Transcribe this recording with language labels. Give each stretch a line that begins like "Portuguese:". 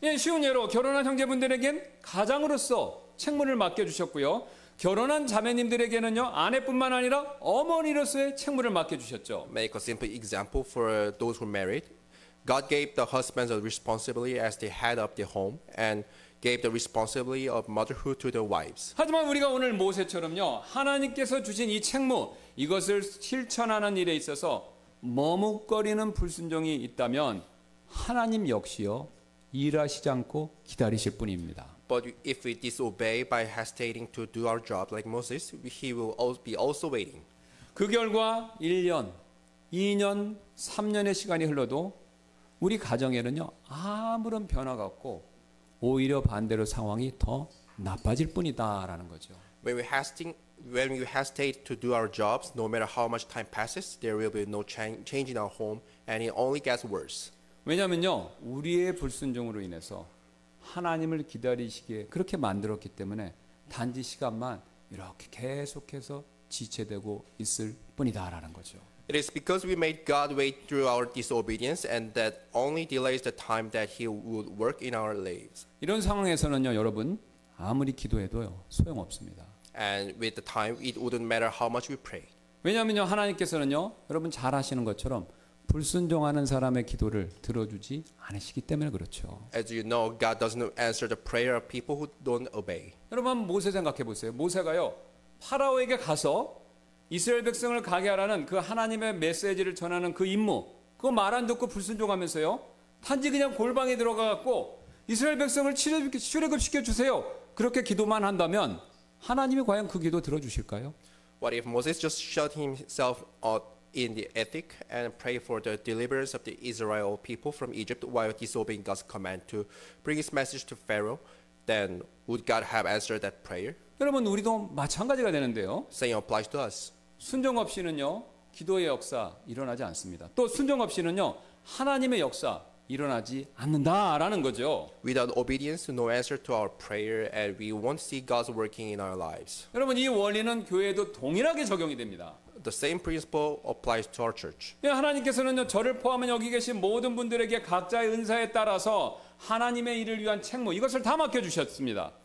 Korean: 예, 쉬운 예로 결혼한 형제분들에겐 가장으로서 책무를 맡겨주셨고요. 결혼한 자매님들에게는요 아내뿐만 아니라 어머니로서의 책무를 맡겨주셨죠.
English: Make a simple example for those who married. God gave the husbands a responsibility as the head of the home and gave the responsibility of motherhood to the wives.
Korean: 하지만 우리가 오늘 모세처럼요 하나님께서 주신 이 책무 이것을 실천하는 일에 있어서 머뭇거리는 불순종이 있다면 하나님 역시요 일하시지 않고 기다리실 뿐입니다.
English: But if we disobey by hesitating to do our job like Moses, he will be also waiting.
Korean: 그 결과 1년, 2년, 3년의 시간이 흘러도 우리 가정에는요 아무런 변화가 없고 오히려 반대로 상황이 더 나빠질 뿐이다라는 거죠.
English: When we hesitate to do our jobs, no matter how much time passes, there will be no change in our home, and it only gets worse.
Korean: 왜냐면요 우리의 불순종으로 인해서 하나님을 기다리시게 그렇게 만들었기 때문에 단지 시간만 이렇게 계속해서 지체되고 있을 뿐이다라는 거죠.
English: It is because we made God wait through our disobedience and that only delays the time that He would work in our lives.
Korean: 이런 상황에서는요, 여러분 아무리 기도해도요 소용없습니다.
English: And with the time, it wouldn't matter how much we pray.
Korean: 왜냐하면요 하나님께서는요 여러분 잘 아시는 것처럼 불순종하는 사람의 기도를 들어주지 않으시기 때문에 그렇죠.
English: As you know, God doesn't answer the prayer of people who don't obey.
Korean: 여러분 모세 생각해 보세요. 모세가요 파라오에게 가서 이스라엘 백성을 가게 하라는 그 하나님의 메시지를 전하는 그 임무, 그거 말 안 듣고 불순종하면서요 단지 그냥 골방에 들어가 갖고 이스라엘 백성을 출애굽 시켜 주세요 그렇게 기도만 한다면 하나님이 과연 그 기도 들어주실까요?
English: What if Moses just shut himself out in the attic and pray for the deliverance of the Israel people from Egypt while disobeying God's command to bring His message to Pharaoh? Then would God have answered that prayer?
Korean: 여러분 우리도 마찬가지가 되는데요.
English: Same applies to us.
Korean: 순종 없이는요 기도의 역사 일어나지 않습니다. 또 순종 없이는요 하나님의 역사 일어나지 않는다라는 거죠.
English: Without obedience, no answer to our prayer, and we won't see God's working in our lives.
Korean: 여러분, 이 원리는 교회에도 동일하게 적용이 됩니다.
English: The same principle applies to our church.
Korean: 예, 하나님께서는요, 저를 포함한 여기 계신 모든 분들에게 각자의 은사에 따라서 하나님의 일을 위한 책무 이것을 다 맡겨 주셨습니다.